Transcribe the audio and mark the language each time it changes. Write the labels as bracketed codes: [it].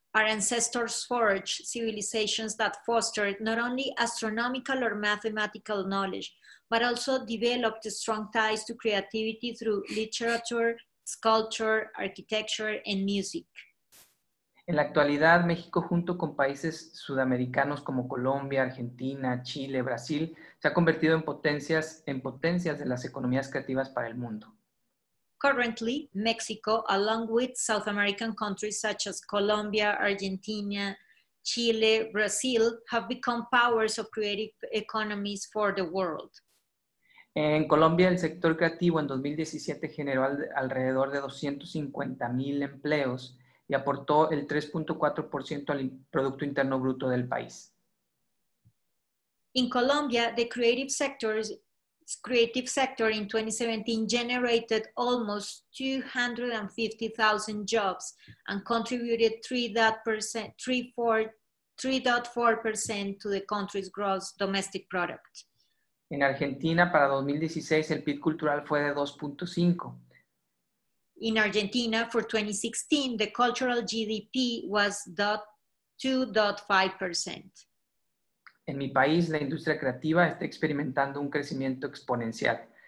[en] Our ancestors forged civilizations that fostered not only astronomical or mathematical knowledge, but also developed strong ties to creativity through literature, sculpture, architecture, and music. [es] En la actualidad, México, junto con países sudamericanos como Colombia, Argentina, Chile, Brasil, se ha convertido en potencias de las economías creativas para el mundo. [en] Currently, Mexico, along with South American countries such as Colombia, Argentina, Chile, Brazil, have become powers of creative economies for the world. [es] En Colombia, el sector creativo en 2017 generó alrededor de 250,000 empleos y aportó el 3.4% al Producto Interno Bruto del país. [en] In Colombia, the creative sector in 2017 generated almost 250,000 jobs and contributed 3.4% to the country's gross domestic product. [es] En Argentina, para 2016, el PIB cultural fue de 2.5. [en] In Argentina, for 2016, the cultural GDP was 2.5%. [es] En mi país, la industria creativa está experimentando un crecimiento exponencial.